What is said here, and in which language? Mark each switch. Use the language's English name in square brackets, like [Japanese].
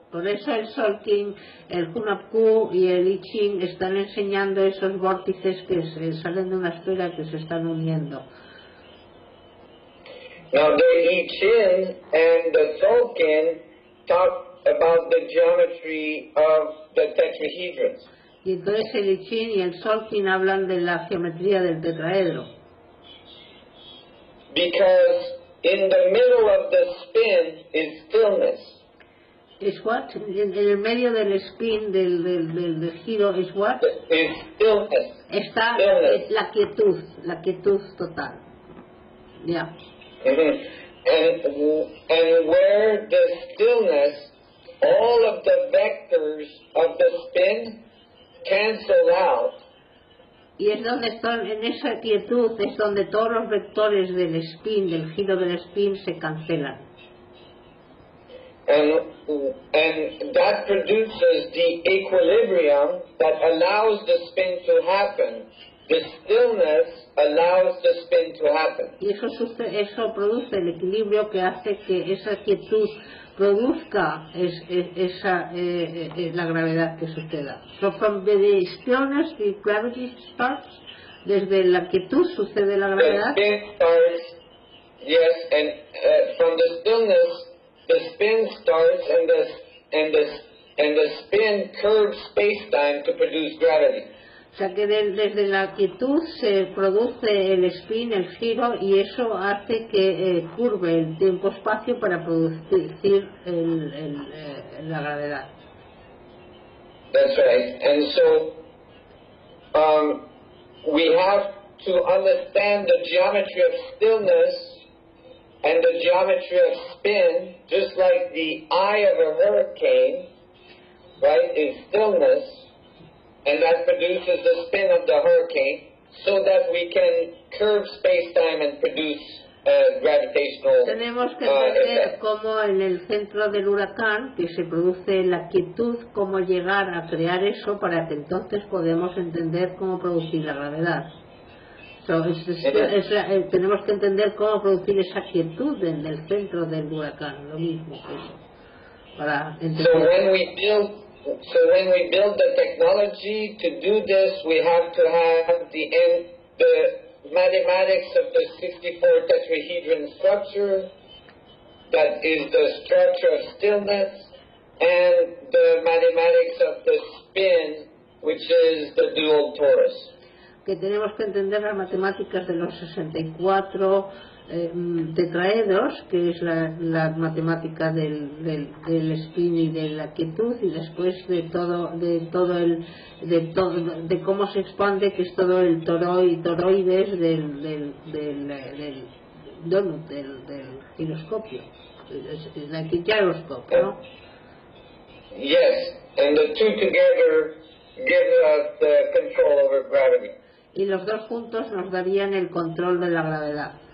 [Spanish] Por eso el Sol King, el Hunapku y el I Ching están enseñando esos vórtices que salen de una esfera que se están uniendo. [English] Now the I Ching and the Sol King talk about the geometry of the tetrahedrons. [Spanish] Y entonces el I Ching y el Sol King hablan de la geometría del tetraedro. [English] Because in the middle of the spin is stillness. Is what? [Spanish] En el medio del spin, del giro, [English] is what? Is stillness. [Spanish] Está [English] stillness. [Spanish] La quietud total. Yeah. Mm-hmm. [English] And where the stillness, all of the vectors of the spin cancel out. [Spanish] Y es donde están, en esa quietud, es donde todos los vectores del spin, del giro del spin, se cancelan. [English] And that produces the equilibrium that allows the spin to happen. The stillness allows the spin to happen. [Spanish] Y eso produce el equilibrio que hace que esa quietud produzca la gravedad que suceda. [English] So from the stillness, the gravity starts. [Spanish] Desde la quietud sucede la gravedad. [English] The spin starts, yes, and from the stillness, the spin starts and the spin curves space-time to produce gravity. [Spanish] O sea que desde la quietud se produce el spin, el giro, y eso hace que curve el tiempo-espacio para producir la gravedad. [English] That's right. And so we have to understand the geometry of stillness and the geometry of spin, just like the eye of a hurricane, right, is stillness, and that produces the spin of the hurricane, so that we can curve space-time and produce gravitational effect. [Spanish] Tenemos que entender cómo en el centro del huracán, que se produce la quietud, cómo llegar a crear eso para que entonces podemos entender cómo producir la gravedad. So tenemos que entender cómo producir esa quietud en el centro del huracán, lo mismo que eso, para entender. [English] So when we build the technology to do this, we have to have the mathematics of the 64 tetrahedron structure, that is the structure of stillness, and the mathematics of the spin, which is the dual torus. [Spanish] Que tenemos que entender las matemáticas de los 64 tetraedros, que es la matemática del spin y de la quietud, y después de cómo se expande, que es todo el toroides del giroscopio, el gyroscope, ¿no? [English] Yes, and the two together give us the control over gravity. [Spanish] Y los dos juntos nos darían el control de la gravedad.